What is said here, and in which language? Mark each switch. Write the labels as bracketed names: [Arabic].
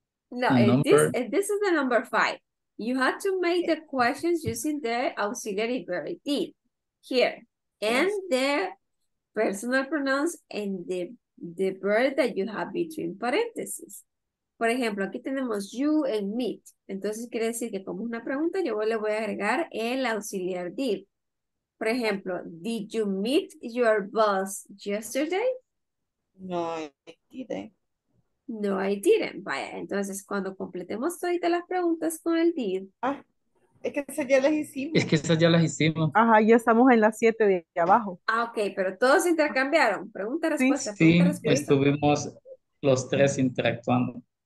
[English] No, this is the number 5. You have to make the questions using the auxiliary verb did here. And the personal pronouns and the verb that you have between parentheses. [Spanish] Por ejemplo, aquí tenemos [English] you and me. [Spanish] Entonces quiere decir que como una pregunta, yo le voy a agregar el auxiliar did. Por ejemplo, [English] did you meet your boss yesterday? No, I didn't. No, I didn't. [Spanish] Vaya, entonces cuando completemos todas las preguntas con el did, ah, Es que esas ya las hicimos. Es que esas ya las hicimos. Ajá, ya estamos en las 7 de aquí abajo. Ah, ok, pero todos intercambiaron. Pregunta, respuesta. Sí, sí, estuvimos los tres interactuando.